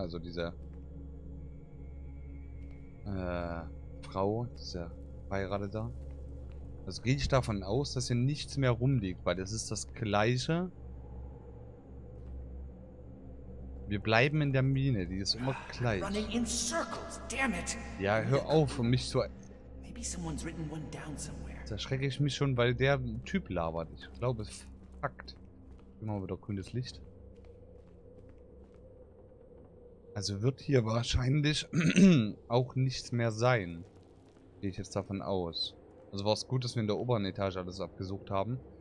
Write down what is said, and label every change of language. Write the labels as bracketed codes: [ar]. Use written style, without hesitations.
[de] Also diese Frau, diese Verheiratete. Also gehe ich davon aus, dass hier nichts mehr rumliegt, weil das ist das Gleiche. Wir bleiben in der Mine, die ist immer gleich. [en] Running in circles, damn it. [de] Ja, hör auf, um mich zu... [en] Maybe someone's written one down somewhere. [de] Da schrecke ich mich schon, weil der Typ labert. Ich glaube, es fuckt. Immer wieder grünes Licht. Also wird hier wahrscheinlich auch nichts mehr sein. Gehe ich jetzt davon aus. Also war es gut, dass wir in der oberen Etage alles abgesucht haben.